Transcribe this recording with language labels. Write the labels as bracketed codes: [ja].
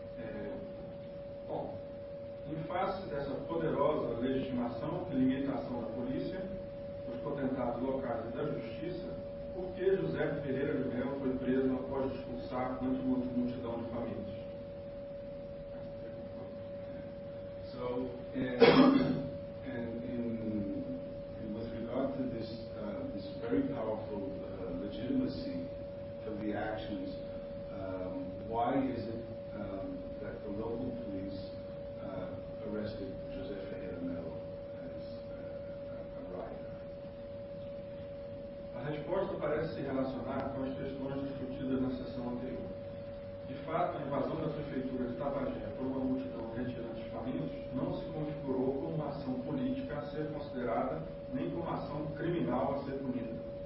[pt] Em face dessa poderosa legitimação e limitação da polícia, dos potentados locais e da justiça, por que José Ferreira de Melo foi preso após expulsar quanto muita multidão de famílias? [en] So, and with regard to this this very powerful legitimacy of the actions, why is it that the local police arrested José Ferreira Melo as a rioter? [pt] A resposta parece se relacionar com as questões discutidas na sessão anterior. De fato, a invasão da prefeitura de Tabagé por uma multidão de retirantes famintos não se configurou como uma ação política a ser considerada, nem como uma ação criminal a ser punida.